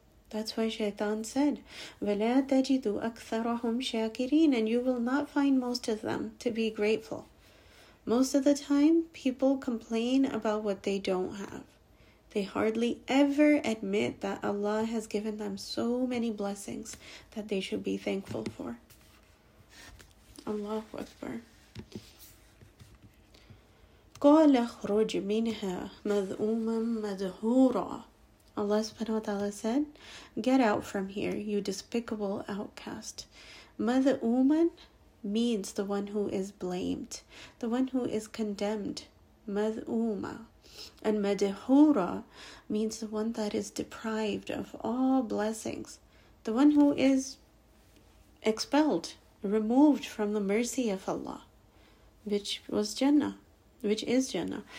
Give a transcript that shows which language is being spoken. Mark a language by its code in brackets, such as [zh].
[en] That's why Shaitan said, [ar] وَلَا تَجِدُ أَكْثَرَهُمْ شَاكِرِينَ, [en] and you will not find most of them to be grateful. Most of the time, people complain about what they don't have. They hardly ever admit that Allah has given them so many blessings that they should be thankful for. Allahu Akbar. [ar] قال اخرج منها مذءوما مدهورا. [en] Allah subhanahu wa ta'ala said, get out from here, you despicable outcast. Madhuman means the one who is blamed, the one who is condemned, madhuma. And madhura means the one that is deprived of all blessings, the one who is expelled, removed from the mercy of Allah, which was Jannah. Which is Jannah.